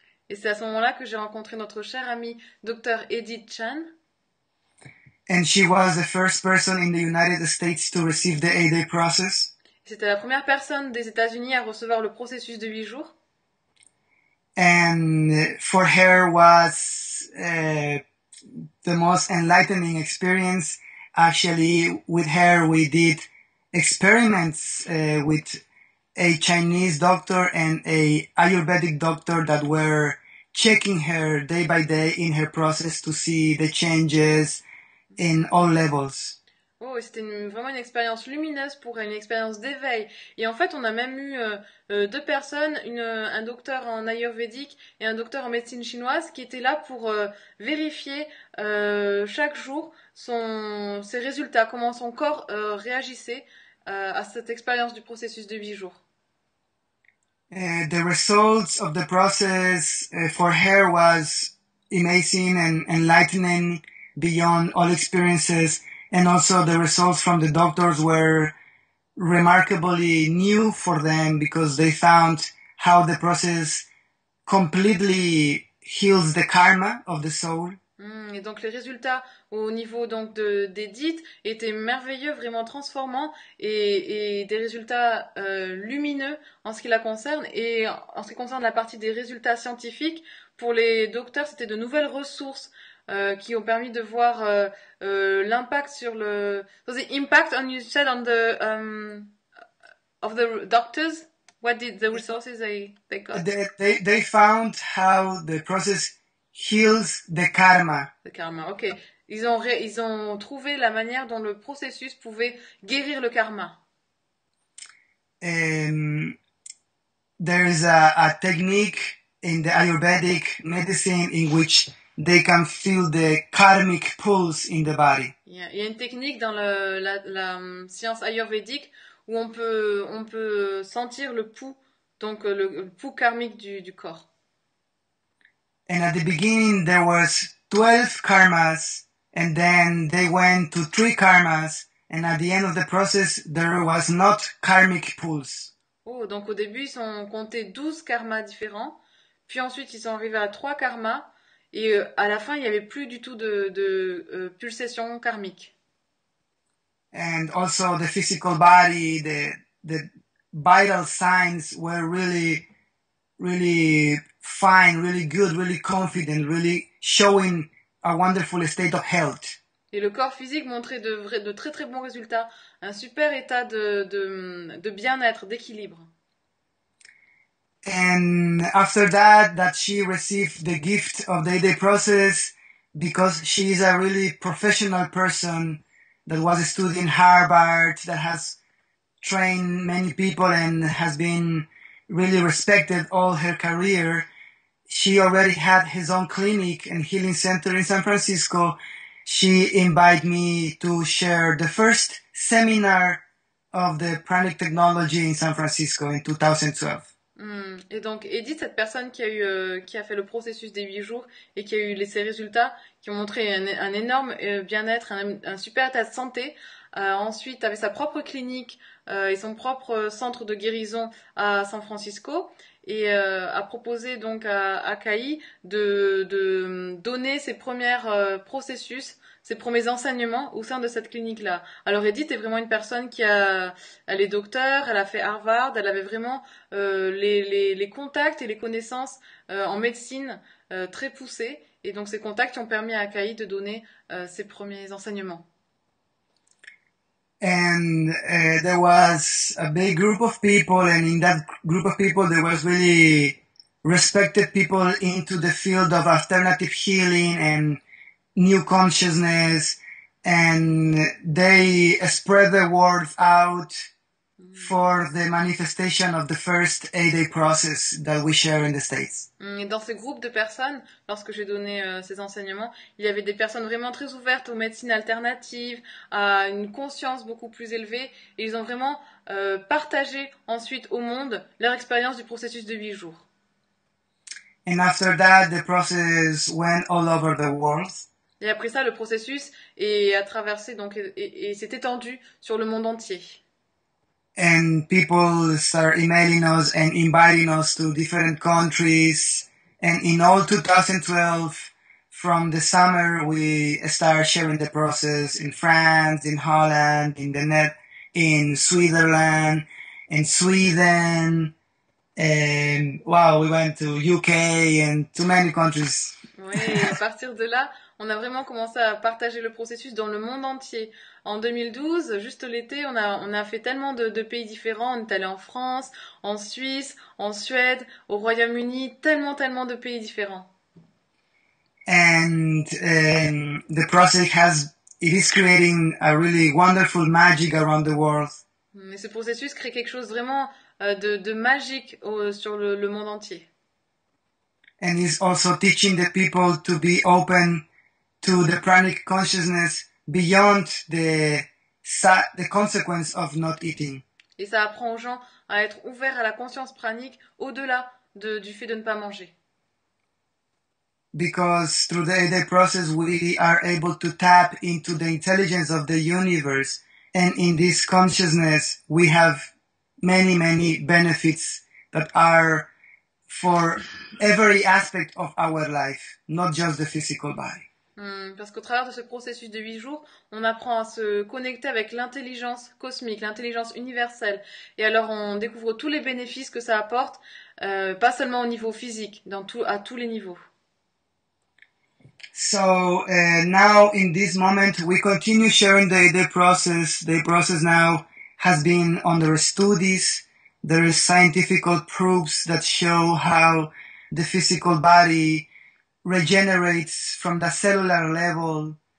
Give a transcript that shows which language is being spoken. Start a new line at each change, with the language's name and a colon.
French: Et c'est à ce moment-là que j'ai rencontré notre chère amie, Dr. Edith Chan.
English: And she was the first person in the United States to receive the 8-day process.
French: C'était la première personne des États-Unis à recevoir le processus de 8 jours.
English: And for her was the most enlightening experience. Actually, with her, we did experiments with a Chinese doctor and a Ayurvedic doctor that were checking her day by day in her process to see the changes. In all levels.
French: Oh, c'était vraiment une expérience lumineuse pour elle, une expérience d'éveil. Et en fait, on a même eu deux personnes, un docteur en ayurvédique et un docteur en médecine chinoise, qui étaient là pour vérifier chaque jour ses résultats, comment son corps réagissait à cette expérience du processus de 8 jours.
English: The results of the process for her was amazing and enlightening. Beyond all experiences, and also the results from the doctors were remarkably new for them because they found how the process completely heals the karma of the soul.
French: Et donc les résultats au niveau donc d'édite étaient merveilleux, vraiment transformants et des résultats lumineux en ce qui la concerne. Et en ce qui concerne la partie des résultats scientifiques, pour les docteurs, c'était de nouvelles ressources qui ont permis de voir l'impact sur le...
English: The impact on you said on the of the doctors, what did the resources they got? They found how the process heals the karma.
French: Le karma. Ok, ils ont trouvé la manière dont le processus pouvait guérir le karma.
English: There is a technique in the Ayurvedic medicine in which they can feel the karmic pulse in the body.
French: Il y a une technique dans la science ayurvédique où on peut sentir le pouls, donc le pouls karmique du corps.
English: And at the beginning, there was 12 karmas, and then they went to 3 karmas, and at the end of the process, there was not karmic pulse.
French: Oh, donc au début, ils ont compté 12 karmas différents, puis ensuite ils sont arrivés à 3 karmas, et à la fin, il n'y avait plus du tout de pulsation karmique.
English: And also the physical body, the vital signs were really, really fine, really good, really confident, really showing a wonderful state of health.
French: Et le corps physique montrait de très très bons résultats, un super état de bien-être, d'équilibre.
English: And after that she received the gift of the day process because she is a really professional person that was studying Harvard, that has trained many people and has been really respected all her career. She already had his own clinic and healing center in San Francisco. She invited me to share the first seminar of the pranic technology in San Francisco in 2012.
French: Et donc Edith, cette personne qui a fait le processus des 8 jours et qui a eu ces résultats, qui ont montré un énorme bien-être, un super état de santé, ensuite avait sa propre clinique et son propre centre de guérison à San Francisco et a proposé donc à Kai de donner ses premiers processus, ses premiers enseignements au sein de cette clinique-là. Alors Edith est vraiment une personne elle est docteur, elle a fait Harvard, elle avait vraiment les contacts et les connaissances en médecine très poussées. Et donc ces contacts ont permis à Akai de donner ses premiers enseignements.
English: And there was a big group of people, and in that group of people, there was really respected people into the field of alternative healing and new consciousness, and they spread the word out for the manifestation of the first 8-day process that we share in the States.
French: Et dans ce groupe de personnes, lorsque j'ai donné ces enseignements, il y avait des personnes vraiment très ouvertes aux médecines alternatives, à une conscience beaucoup plus élevée, et ils ont vraiment partagé ensuite au monde leur expérience du processus de 8 jours.
English: And after that, the process went all over the world.
French: Et après ça, le processus est a traversé donc et s'est étendu sur le monde entier.
English: And people start emailing us and inviting us to different countries. And in all 2012, from the summer, we start sharing the process in France, in Holland, in the net, in Switzerland, in Sweden. And wow, we went to UK and too many countries.
French: Oui, et à partir de là, on a vraiment commencé à partager le processus dans le monde entier. En 2012, juste l'été, on a fait tellement de pays différents. On est allé en France, en Suisse, en Suède, au Royaume-Uni, tellement, tellement de pays différents.
English: And the process has, it is creating a really wonderful magic around the world.
French: Et ce processus crée quelque chose vraiment de magique sur le monde entier.
English: And he's also teaching the people to be open to the pranic consciousness beyond the consequence of not eating.
French: Et ça apprend aux gens à être ouverts à la conscience pranique au-delà du fait de ne pas manger.
English: Because through the process, we are able to tap into the intelligence of the universe. And in this consciousness, we have many, many benefits that are for every aspect of our life, not just the physical body.
French: Parce qu'au travers de ce processus de 8 jours, on apprend à se connecter avec l'intelligence cosmique, l'intelligence universelle. Et alors on découvre tous les bénéfices que ça apporte, pas seulement au niveau physique, à tous les niveaux.
English: So now in this moment we continue sharing the process. The process now has been under studies. There is scientific proofs that show how the physical body regenerates from the cellular level.